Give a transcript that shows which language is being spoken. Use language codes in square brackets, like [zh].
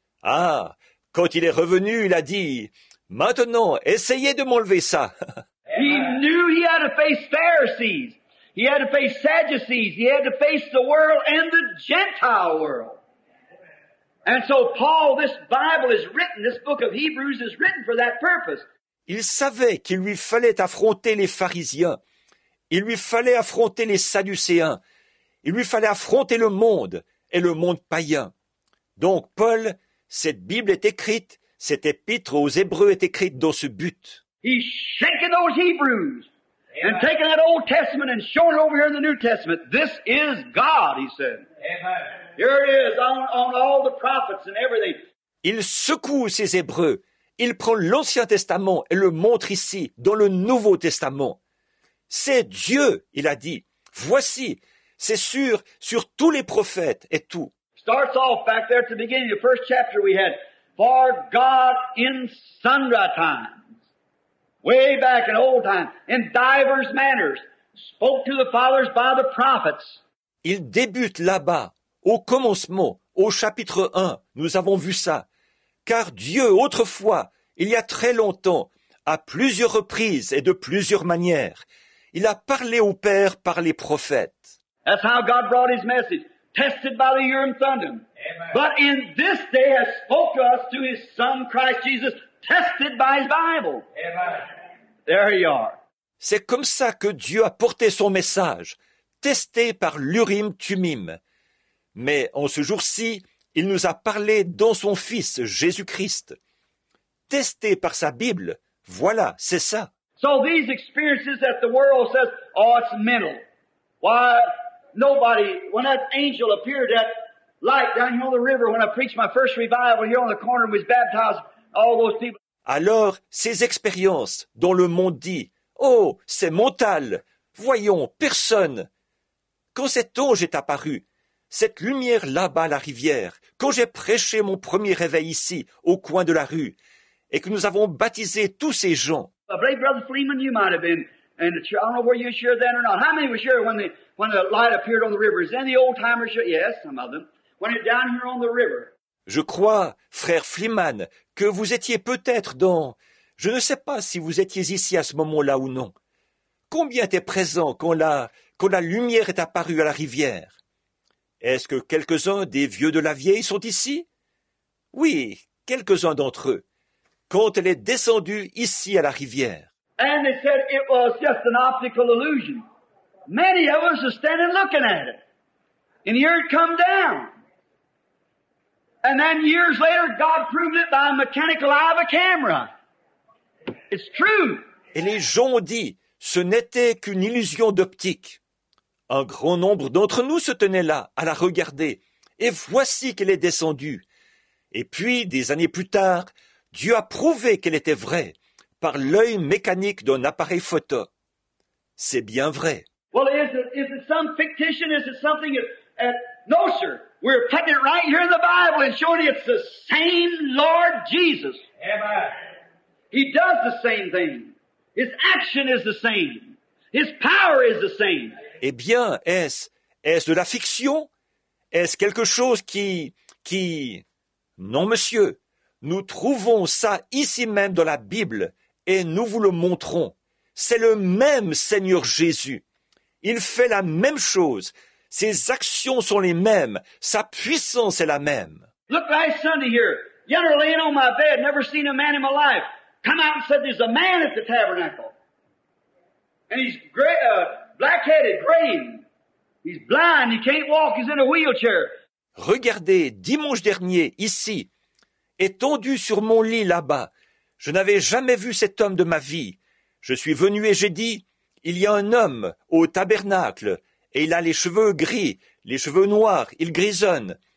[fr] Ah, quand il est revenu, il a dit, « Maintenant, essayez de m'enlever ça. » [en] He knew he had to face Pharisees. He had to face Sadducees. He had to face the world and the Gentile world. And so Paul, this Bible is written, this book of Hebrews is written for that purpose. [fr] Il savait qu'il lui fallait affronter les pharisiens. Il lui fallait affronter les sadducéens. Il lui fallait affronter le monde et le monde païen. Donc Paul, cette Bible est écrite, cette épître aux Hébreux est écrite dans ce but. [en] He's shaking those Hebrews and taking that Old Testament and showing it over here in the New Testament. This is God, he said. Here it is on all the prophets and everything. [fr] Il secoue ces Hébreux. Il prend l'Ancien Testament et le montre ici, dans le Nouveau Testament. C'est Dieu, il a dit. Voici, c'est sur tous les prophètes et tout. [en] Starts off back there at the beginning, the first chapter we had. For God in sundry times, way back in old times, in divers manners, spoke to the fathers by the prophets. [fr] Il débute là-bas, au commencement, au chapitre 1, nous avons vu ça. Car Dieu, autrefois, il y a très longtemps, à plusieurs reprises et de plusieurs manières, il a parlé au Père par les prophètes. [en] That's how God brought his message, tested by the Urim Thummim. Amen. But in this day has spoken to us through his Son, Christ Jesus, tested by his Bible. Amen. There you are. [fr] C'est comme ça que Dieu a porté son message, testé par l'Urim Thummim. Mais en ce jour-ci, il nous a parlé dans son Fils, Jésus-Christ. Testé par sa Bible, voilà, c'est ça. [en] So these experiences that the world says, oh, it's mental. Why, nobody, when that angel appeared, that light down here on the river, when I preached my first revival here on the corner, was baptized, all those people. [fr] Alors, ces expériences dont le monde dit, oh, c'est mental, voyons, personne. Quand cet ange est apparu, cette lumière là-bas à la rivière, quand j'ai prêché mon premier réveil ici, au coin de la rue, et que nous avons baptisé tous ces gens. [en] I believe Brother Fleeman, you might have been, and I don't know whether you were sure then or not. How many were sure when the light appeared on the river? Is any old timer sure? Yes, some of them. When it down here on the river. [fr] Je crois, frère Fleeman, que vous étiez peut-être dans... Je ne sais pas si vous étiez ici à ce moment-là ou non. Combien étaient présents quand la lumière est apparue à la rivière? Est-ce que quelques-uns des vieux de la vieille sont ici? Oui, quelques-uns d'entre eux. Quand elle est descendue ici à la rivière. [en] And they said it was just an optical illusion. Many of us are standing looking at it. And here it come down. And then years later, God proved it by a mechanical eye of a camera. It's true. [fr] Et les gens ont dit, ce n'était qu'une illusion d'optique. Un grand nombre d'entre nous se tenaient là, à la regarder. Et voici qu'elle est descendue. Et puis, des années plus tard, Dieu a prouvé qu'elle était vraie par l'œil mécanique d'un appareil photo. C'est bien vrai. [en] Well, is it some fictitious? Is it something? No, sir. We're putting it right here in the Bible and showing it's the same Lord Jesus. Amen. He does the same thing. His action is the same. His power is the same. [fr] Eh bien, est-ce de la fiction? Est-ce quelque chose qui... Non, monsieur, nous trouvons ça ici même dans la Bible et nous vous le montrons. C'est le même Seigneur Jésus. Il fait la même chose. Ses actions sont les mêmes. Sa puissance est la même. [en] Look right Sunday here. Yonder laying on my bed, never seen a man in my life. Come out and said there's a man at the tabernacle. And he's gray, black-headed, grain. He's blind, he can't walk, he's in a wheelchair. [fr] Regardez, dimanche dernier, ici, étendu sur mon lit là-bas, je n'avais jamais vu cet homme de ma vie. Je suis venu et j'ai dit, il y a un homme au tabernacle, et il a les cheveux gris, les cheveux noirs, il grisonne.